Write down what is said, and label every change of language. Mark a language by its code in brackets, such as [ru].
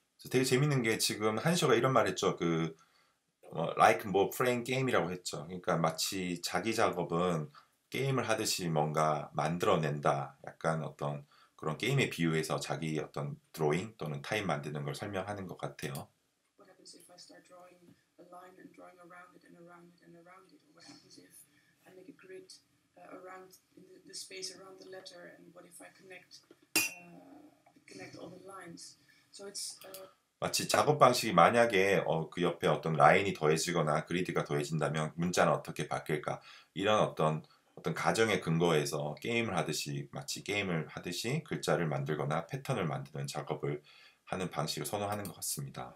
[ko] 되게 재밌는 게 지금 한셔가 이런 말 했죠. like 뭐 프레임 게임이라고 했죠. 그러니까 마치 자기 작업은 게임을 하듯이 뭔가 만들어낸다. 약간 어떤 그런 게임에 비유해서 자기 어떤 드로잉 또는 타입 만드는 걸 설명하는 것 같아요. [en] What happens if I start drawing a line and drawing around it and around it and around it? Or what happens if I make a grid around the space around the letter? And what if I connect all the lines? So it's [ko] 마치 작업 방식이 만약에 그 옆에 어떤 라인이 더해지거나 그리드가 더해진다면 문자는 어떻게 바뀔까? 이런 어떤 가정에 근거해서 게임을 하듯이 마치 게임을 하듯이 글자를 만들거나 패턴을 만드는 작업을 하는 방식을 선호하는 것 같습니다.